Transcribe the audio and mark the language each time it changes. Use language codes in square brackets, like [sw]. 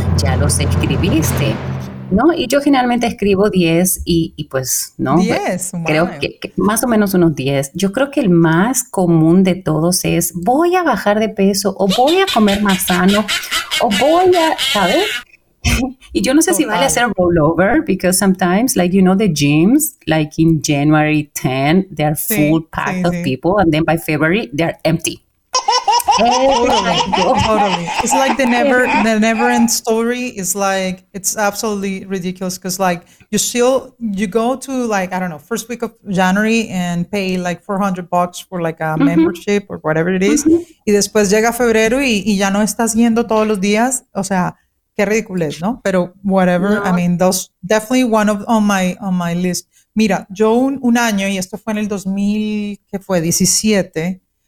[es] Ya los escribiste, ¿no? Y yo generalmente escribo 10 y pues, ¿no? 10, creo que más o menos unos 10. Yo creo que el más común de todos es voy a bajar de peso o voy a comer más sano o voy a, ¿sabes? Y yo no sé si vale hacer rollover, [en] because sometimes, like, you know, the gyms, like in January 10, they are full packed of people, and then by February, they are empty. Totally. It's like the never end story. It's like, it's absolutely ridiculous, because like you go to, like, I don't know, first week of January and pay like $400 for like a membership or whatever it is. [es] Y después llega febrero y ya no estás yendo todos los días. O sea, qué ridiculez, ¿no? Pero whatever. No. [en] I mean, that's definitely one of on my list. [es] Mira, yo un año, y esto fue en el 2017.